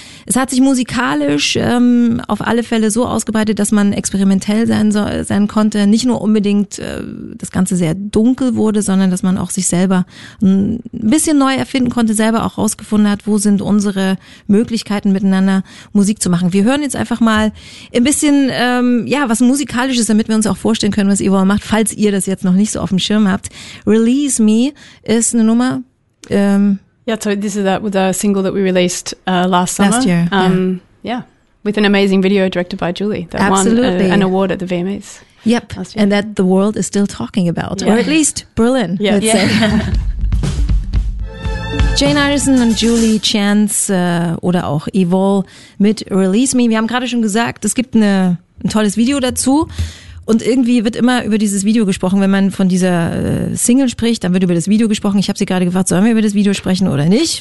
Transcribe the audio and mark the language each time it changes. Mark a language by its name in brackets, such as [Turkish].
[German] Es hat sich musikalisch auf alle Fälle so ausgebreitet, dass man experimentell sein konnte, nicht nur unbedingt das Ganze sehr dunkel wurde, sondern dass man auch sich selber ein bisschen neu erfinden konnte, selber auch rausgefunden hat, wo sind unsere Möglichkeiten miteinander Musik zu machen. Wir hören jetzt einfach mal ein bisschen was Musikalisches, damit wir uns auch vorstellen können, was ihr wohl macht, falls ihr das jetzt noch nicht so auf dem Schirm habt. Release Me ist eine Nummer. [English] So this is that with a single that we released last summer. Last year. With an amazing video directed by Julie that Absolutely. Won an award at the VMAs. Yep, and that the world is still talking about, or at least Berlin, let's say. [German] Jane Anderson und Julie Chance oder auch Evol mit Release Me. Wir haben gerade schon gesagt, es gibt ein tolles Video dazu. Und irgendwie wird immer über dieses Video gesprochen, wenn man von dieser Single spricht, dann wird über das Video gesprochen. Ich habe sie gerade gefragt, sollen wir über das Video sprechen oder nicht?